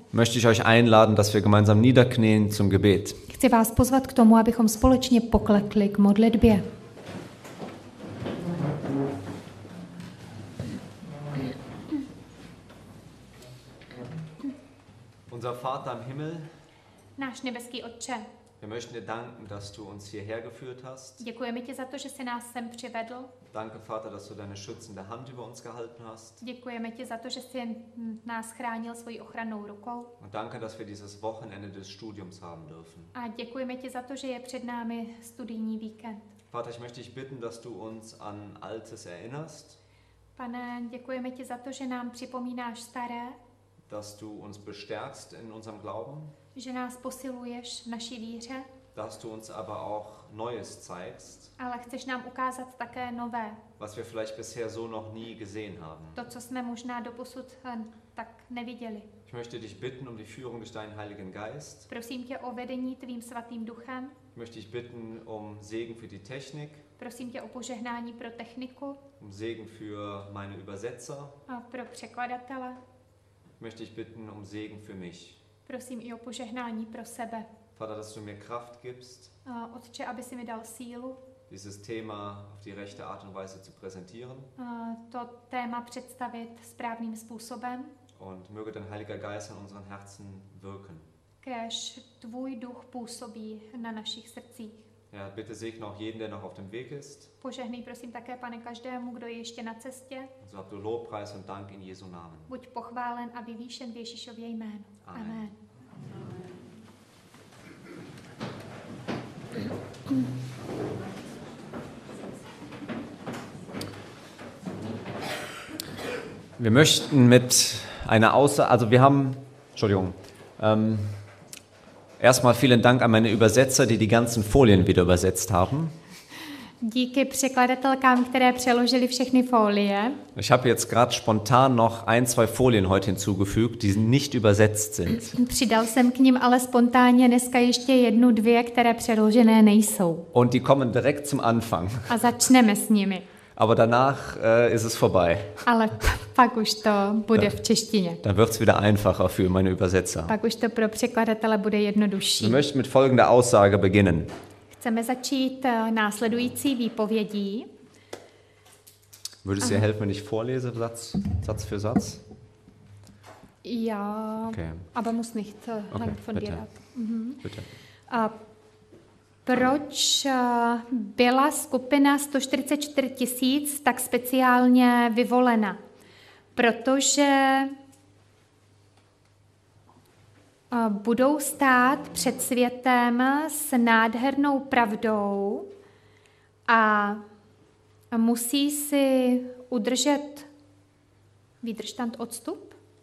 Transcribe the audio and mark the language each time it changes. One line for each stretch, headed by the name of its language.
German: Möchte ich euch einladen, dass wir gemeinsam niederknien zum Gebet.
Czech: Chci vás pozvat k tomu, abychom společně poklekli k modlitbě.
German: Unser Vater im Himmel.
Czech: Náš nebeský Otče.
German: Wir möchten dir danken, dass du uns hierher geführt hast.
Czech: Děkujeme ti za to, že jsi nás sem přivedl.
German: Danke Vater, dass du deine schützende Hand über uns gehalten hast.
Czech: Děkujeme ti za to, že jsi nás chránil svojí ochrannou rukou.
German: Und danke, dass wir dieses Wochenende des Studiums haben dürfen.
Czech: A děkujeme ti za to, že je před námi studijní víkend.
German: Vater, ich möchte dich bitten, dass du uns an altes erinnerst.
Czech: Pane, děkujeme ti za to, že nám připomínáš staré.
German: Dass du uns bestärkst in unserem Glauben.
Czech: Že nás posiluješ v naší víře.
German: Dass du uns aber auch Neues zeigst.
Czech: Ale chceš nám ukázat také nové.
German: Was wir vielleicht bisher so noch nie gesehen haben.
Czech: To, co jsme možná doposud tak neviděli.
German: Ich möchte dich bitten um die Führung durch deinen Heiligen Geist.
Czech: Prosím tě o vedení tvým svatým duchem.
German: Ich möchte dich bitten um Segen für die Technik.
Czech: Prosím tě o požehnání pro techniku.
German: Um Segen für meine Übersetzer.
Czech: A pro překladatele.
German: Möchte ich bitten um Segen für mich.
Czech: Prosím i o požehnání pro sebe.
German: Vater, dass du mir Kraft gibst.
Czech: Otče, aby si mi dal sílu.
German: dieses Thema auf die rechte Art und Weise zu präsentieren.
Czech: To téma představit správným způsobem.
German: Und möge dein Heiliger Geist in unseren Herzen wirken.
Czech: Kéž tvůj duch působí na našich srdcích.
German: Ja, bitte segne auch jeden, der noch auf dem Weg ist.
Czech: Požehnej prosím také, Pane, každému, kdo je ještě na cestě.
German: Und so hab du Lobpreis und Dank in Jesu Namen.
Czech: Buď pochválen a vyvýšen v Ježíšově jménu. Amen. Amen.
German: Wir möchten mit einer Aussage, also wir haben, Entschuldigung, erstmal vielen Dank an meine Übersetzer, die die ganzen Folien wieder übersetzt haben.
Czech: Díky překladatelkám, které přeložili všechny folie.
German: Ich habe jetzt gerade spontan noch ein, zwei Folien heute hinzugefügt, die nicht übersetzt sind.
Czech: Přidal jsem k ním ale spontánně dneska ještě jednu, dvě, které přeložené nejsou.
German: Und die kommen direkt zum Anfang.
Czech: A začneme s nimi.
German: Aber danach ist es vorbei.
Czech: Ale pak už to bude v češtině.
German: Dann wird's wieder einfacher für meine Übersetzer.
Czech: Pak už to pro překladatele bude jednodušší.
German: Wir möchten mit folgender Aussage beginnen.
Czech: Chceme začít následující výpovědí.
German: Würdest du dir helfen, wenn ich vorlese Satz für Satz? Ja, okay. Aber muss nicht lang von dir ab. Bitte.
Czech: Proč byla skupina 144 tisíc tak speciálně vyvolena? Protože budou stát před světem s nádhernou pravdou a musí si udržet Widerstand odstup?